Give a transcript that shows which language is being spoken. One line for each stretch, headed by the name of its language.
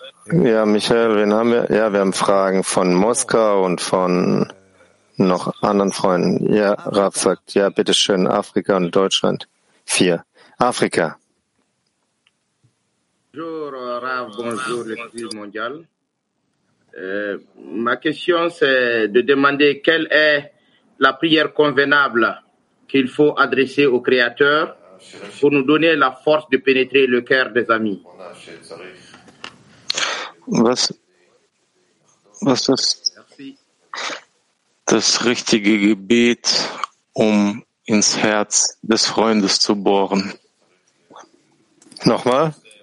German: Ja, Michael, wen haben wir? Ja, wir haben Fragen von Moskau und von noch anderen Freunden. Ja, Rav sagt, ja, bitteschön, Afrika und Deutschland. 4. Afrika.
French: Bonjour, Rav, bonjour, l'Église mondiale. Ma question, c'est de demander quelle est la prière convenable qu'il faut adresser au Créateur pour nous donner la force de pénétrer le cœur des amis.
German: Was ist das richtige Gebet, um ins Herz des Freundes zu bohren? Nochmal.